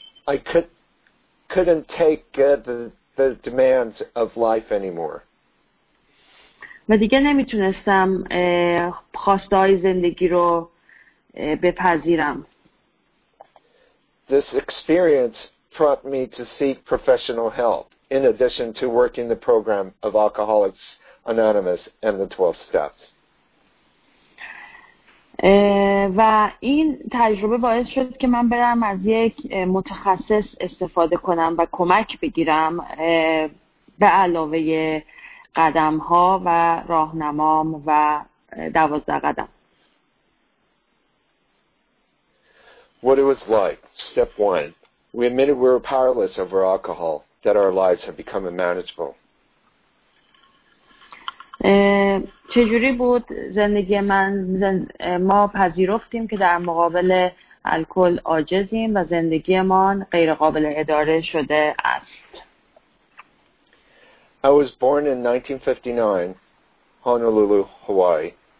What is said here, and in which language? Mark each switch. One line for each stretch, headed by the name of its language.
English: I couldn't take the demands of life anymore.
Persian: و دیگه نمیتونستم خواستهای زندگی رو بپذیرم.
English: This experience prompted me to seek professional help in addition to working the program of Alcoholics Anonymous and the 12 steps.
Persian: و این تجربه باعث شد که من برم از یک متخصص استفاده کنم و کمک بگیرم به علاوه قدم‌ها و راهنمام و 12 قدم.
English: What it was like, step one. We admitted we were powerless over alcohol, that our lives had become unmanageable.
Persian: چجوری بود زندگی من؟ ما پذیرفتیم که در مقابل الکل عاجزیم و زندگی من غیر قابل اداره شده است.
English: I was born in 1959, Honolulu, Hawaii.